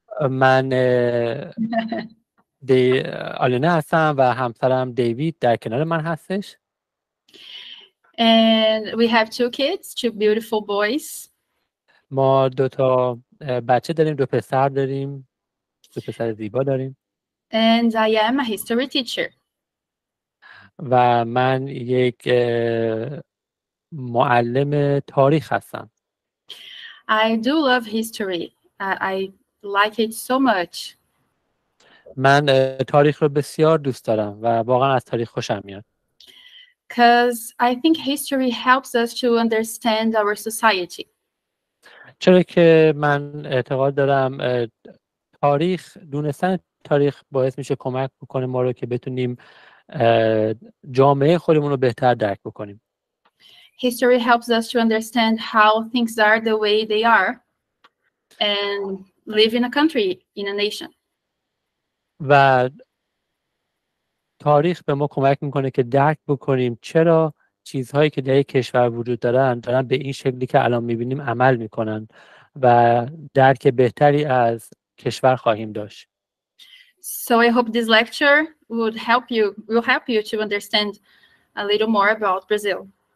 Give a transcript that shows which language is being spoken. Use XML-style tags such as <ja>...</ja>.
<fa>من دی آلنا هستم و همسرم دیوید در کنار من هستش.</fa> <en>And we have two kids, two beautiful boys.</en> <fa>ما دو تا بچه داریم، دو پسر داریم. دو پسر زیبا داریم.</fa> <en>And I am a history teacher.</en> <fa>و من یک معلم تاریخ هستم.</fa> <en>I do love history. I like it so much.</en> <fa>من تاریخ رو بسیار دوست دارم و واقعا از تاریخ خوشم میاد.</fa> <en>Because I think history helps us to understand our society.</en> <fa>چرا که من اعتقاد دارم تاریخ، دونستن تاریخ باعث میشه کمک بکنه ما رو که بتونیم جامعه خودمون رو بهتر درک بکنیم.</fa> <en>History helps us to understand how things are the way they are and live in a country, in a nation.</en> <fa>و تاریخ به ما کمک میکنه که درک بکنیم چرا چیزهایی که در یک کشور وجود دارن دارن به این شکلی که الان میبینیم عمل میکنن و درک بهتری از کشور خواهیم داشت.</fa> <en>So I hope this lecture would help you, will help you to understand a little more about Brazil.</en>